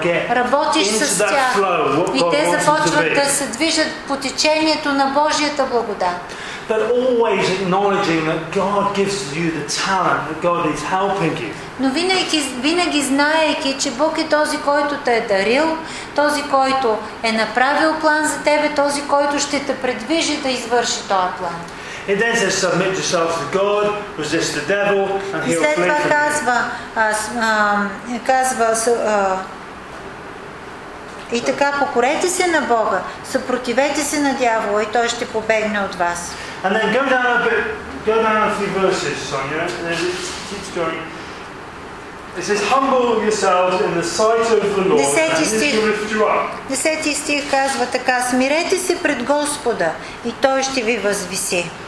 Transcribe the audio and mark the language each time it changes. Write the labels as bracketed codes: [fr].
[bg] Работиш с тях и те започват да се движат по течението на Божията благодат. [en] But always acknowledging that God gives you the talent, that God is helping you. [bg] Но винаги знаеки, че Бог е този, който те е дарил, този, който е направил план за тебе, този, който ще те предвижи да извърши този план. [en] And then says, submit yourself to God, resist the devil, and he'll flee from you. [bg] И така, покорете се на Бога, съпротивете се на дявола и той ще побегне от вас. [en] And then go down a few verses, Sonia, and it keeps going. It says, humble yourselves in the sight of the Lord, and he will lift you up. [bg] 10 стих казва така, смирете се пред Господа и той ще ви възвиси.